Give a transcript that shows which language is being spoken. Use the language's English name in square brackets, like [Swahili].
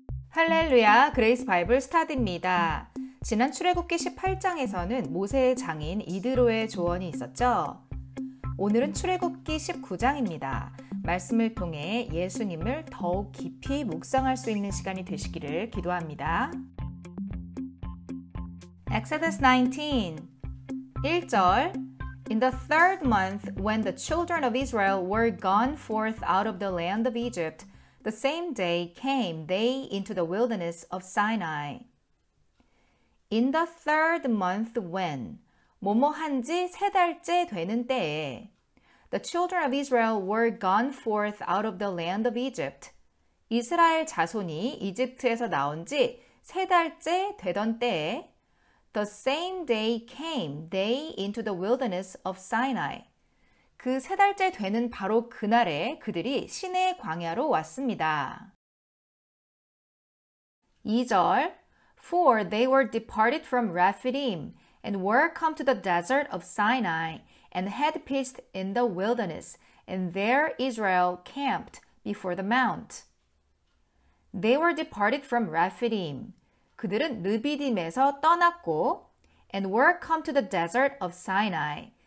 [Korean] 할렐루야, 그레이스 바이블 스타디입니다. 지난 출애굽기 18장에서는 모세의 장인 이드로의 조언이 있었죠. 오늘은 출애굽기 19장입니다. 말씀을 통해 예수님을 더욱 깊이 묵상할 수 있는 시간이 되시기를 기도합니다. [English] Exodus 19 1절 In the third month, when the children of Israel were gone forth out of the land of Egypt, the same day came they into the wilderness of Sinai. In the third month when, [Korean] 뭐뭐 한지 세 달째 되는 때에, [English] the children of Israel were gone forth out of the land of Egypt. [Korean] 이스라엘 자손이 이집트에서 나온 지 세 달째 되던 때에, [English] the same day came they into the wilderness of Sinai. [Korean] 그 세 달째 되는 바로 그날에 그들이 시내 광야로 왔습니다. [English] 2절 For they were departed from Rephidim, and were come to the desert of Sinai, and had pitched in the wilderness, and there Israel camped before the mount. They were departed from Rephidim. [Korean] 그들은 르비딤에서 떠났고, [English] and were come to the desert of Sinai.